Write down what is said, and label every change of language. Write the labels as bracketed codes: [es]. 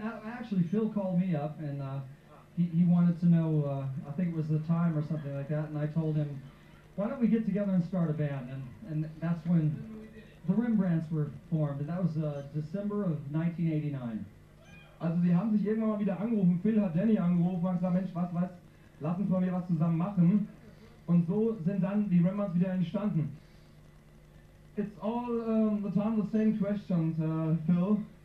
[en] Actually, Phil called me up and he wanted to know, I think it was the time or something like that, and I told him, why don't we get together and start a band? And that's when the Rembrandts were formed, and that was December of 1989. [de] Also sie haben sich irgendwann mal wieder angerufen, Phil hat Danny angerufen und gesagt, Mensch, was, lass uns mal wieder was zusammen machen. Und so sind dann die Rembrandts wieder entstanden. [en] It's all the time the same questions, Phil.